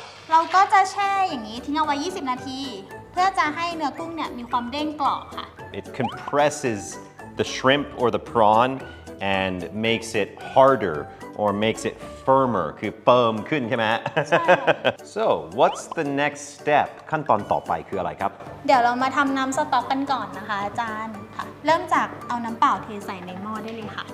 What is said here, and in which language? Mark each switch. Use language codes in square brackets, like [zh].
[th] เราก็จะแช่อย่างนี้ทิ้งเอาไว้20นาทีเพื่อจะให้เนื้อกุ้งเนี่ยมีความเด้งกรอบค่ะ [en] It compresses the shrimp or the prawn and makes it harder or makes it firmer. [th] คือเฟิร์มขึ้นใช่ไหม [en] So what's the next step? [th] ขั้นตอนต่อไปคืออะไรครับ เดี๋ยวเรามาทำน้ำสต๊อกกันก่อนนะคะอาจารย์ค่ะเริ่มจากเอาน้ำเปล่าเทใส่ในหม้อได้เลยค่ะ